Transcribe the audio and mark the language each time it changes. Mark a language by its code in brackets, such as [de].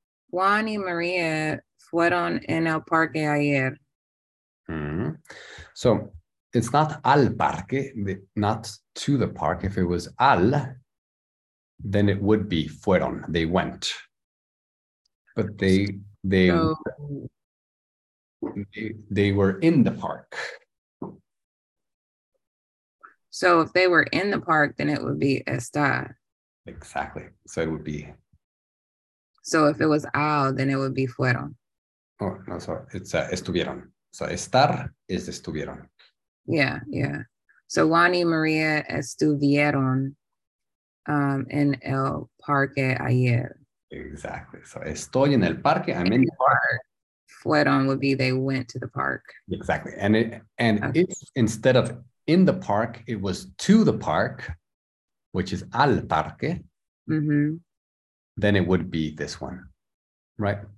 [es] Juan y Maria fueron en el parque ayer. [en] So it's not [es] al parque, [en] not to the park. If it was al, then it would be fueron. They went. But they were in the park. So if they were in the park, then it would be estar. Exactly. So it would be. So if it was al, then it would be fueron. Oh, no, so it's estuvieron. So estar is estuvieron. Yeah, yeah. [es] So Juan y Maria estuvieron en el parque ayer. [en] Exactly. So [es] estoy en el parque. [en] I'm in the park. Fueron would be they went to the park. Exactly. And if instead of in the park, it was to the park, which is [es] al parque, mm-hmm. [en] then it would be this one, right?